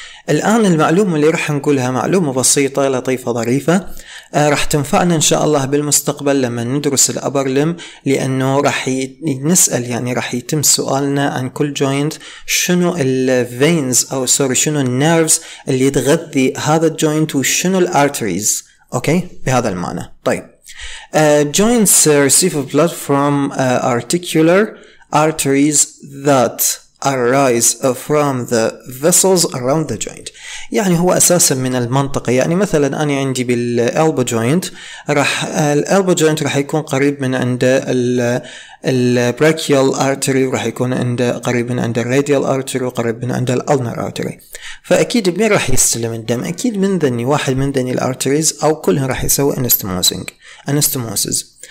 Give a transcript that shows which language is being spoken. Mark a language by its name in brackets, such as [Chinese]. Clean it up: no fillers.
[Arabic] الآن المعلومة اللي راح نقولها معلومة بسيطة لطيفة ظريفة راح تنفعنا إن شاء الله بالمستقبل لما ندرس الأبرلم لأنه راح نسأل يعني راح يتم سؤالنا عن كل جوينت شنو الفينز أو سوري شنو النيرفز اللي يتغذي هذا الجوينت وشنو الأرتريز. أوكي بهذا المعنى. [English] طيب joints receive blood from articular arteries that arise from the vessels around the joint. [Arabic] يعني هو أساسا من المنطقة يعني مثلا أنا عندي بالelbow joint راح الelbow joint راح يكون قريب من عند البراكيال artery وراح يكون عند قريب من عند الراديال artery وقريب من عند الألنر artery. فأكيد مين راح يستلم الدم؟ أكيد من ذني واحد من ذني الarteries أو كلهم راح يسوي anastomosing anastomosis.